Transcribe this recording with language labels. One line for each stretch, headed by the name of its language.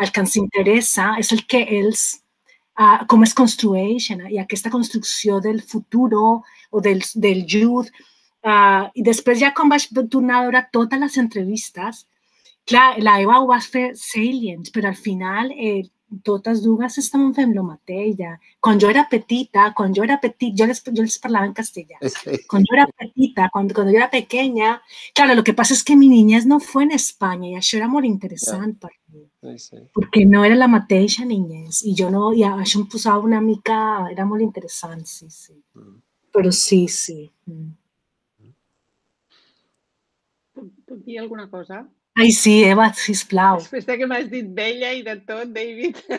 Catalan: El que ens interessa és el que ells, com es construeixen, i aquesta construcció del futuro o del youth. I després ja quan vaig tornar a veure totes les entrevistes, clar, la Eva ho va fer salient, però al final... totes dues estaven fent lo mateix. Ja. Quan jo era petita, jo les parlava en castellà. Quan jo era
Spanish: pequeña, claro, lo que pasa es que mi niñez no fue en España y
Catalan: això era molt interessant per mi. Sí.
Spanish: Porque
Catalan: no era la mateixa
Spanish: niñez y yo no,
Catalan: y això em posava una mica, era molt interessant, sí, sí. Mm. Però sí, sí. Mm. Puc dir alguna cosa? Ai, sí, Eva, sisplau. Després de que m'has dit vella i de tot, David.